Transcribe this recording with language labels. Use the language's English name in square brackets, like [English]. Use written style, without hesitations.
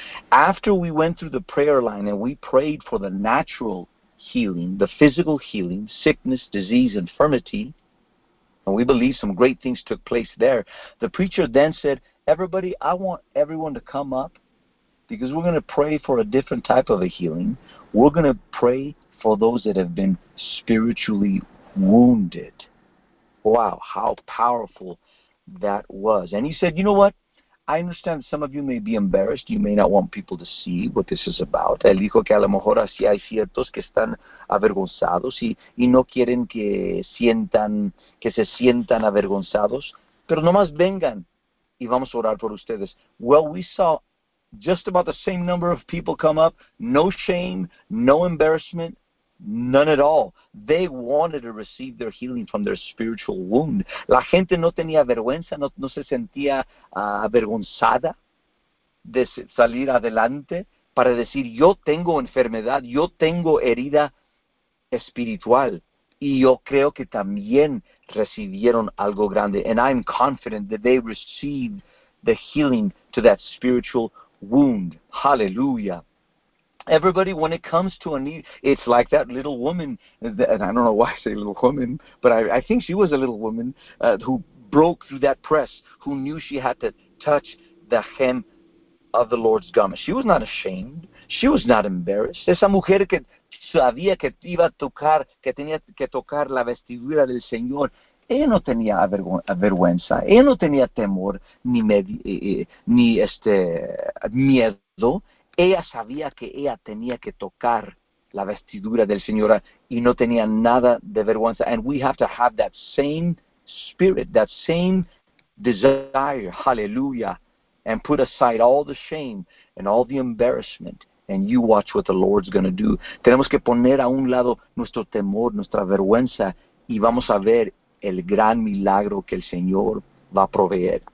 [English] After we went through the prayer line and we prayed for the natural healing, the physical healing, sickness, disease, infirmity, and we believe some great things took place there, the preacher then said, everybody, I want everyone to come up because we're going to pray for a different type of a healing. We're going to pray for those that have been spiritually wounded. Wow, how powerful that was. And he said, you know what? I understand some of you may be embarrassed. You may not want people to see what this is about. [Spanish] Él dijo que a lo mejor así hay ciertos que están avergonzados y no quieren que se sientan avergonzados. Pero nomás vengan y vamos a orar por ustedes. [English] Well, we saw just about the same number of people come up. No shame, no embarrassment, none at all. They wanted to receive their healing from their spiritual wound. [Spanish] La gente no tenía vergüenza, no se sentía avergonzada de salir adelante para decir, yo tengo enfermedad, yo tengo herida espiritual. Y yo creo que también recibieron algo grande. [English] And I'm confident that they received the healing to that spiritual wound. Hallelujah. Everybody, when it comes to a need, it's like that little woman, and I don't know why I say little woman, but I think she was a little woman who broke through that press, who knew she had to touch the hem of the Lord's garment. She was not ashamed. She was not embarrassed. [Spanish] Esa mujer que sabía que iba a tocar, que tenía que tocar la vestidura del Señor, ella no tenía vergüenza, ella no tenía temor ni miedo. Ella sabía que ella tenía que tocar la vestidura del Señor y no tenía nada de vergüenza. [English] And we have to have that same spirit, that same desire, hallelujah, and put aside all the shame and all the embarrassment, and you watch what the Lord's going to do. [Spanish] Tenemos que poner a un lado nuestro temor, nuestra vergüenza, y vamos a ver el gran milagro que el Señor va a proveer.